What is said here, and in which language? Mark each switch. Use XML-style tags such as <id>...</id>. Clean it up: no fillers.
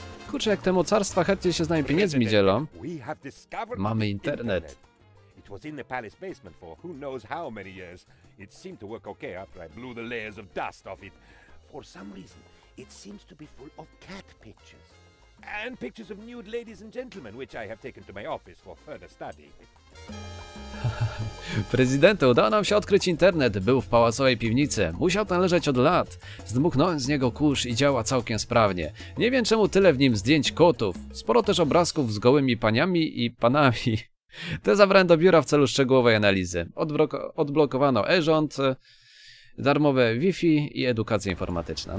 <pl>Kurczę, jak te mocarstwa chętnie się z nami pieniędzmi dzielą. Mamy internet.</pl> <en>It was in the palace basement for who knows how many years. It seemed to work okay after I blew the layers of dust off it. For some reason, it seems to be full of cat pictures. And pictures of nude ladies and gentlemen, which I have taken to my office for further study.</en> <pl>Prezydente, udało nam się odkryć internet. Był w pałacowej piwnicy. Musiał tam leżeć od lat. Zdmuchnąłem z niego kurz i działa całkiem sprawnie. Nie wiem, czemu tyle w nim zdjęć kotów. Sporo też obrazków z gołymi paniami i panami. Te zabrałem do biura w celu szczegółowej analizy. Odblokowano e-rząd, darmowe Wi-Fi i edukacja informatyczna.</pl>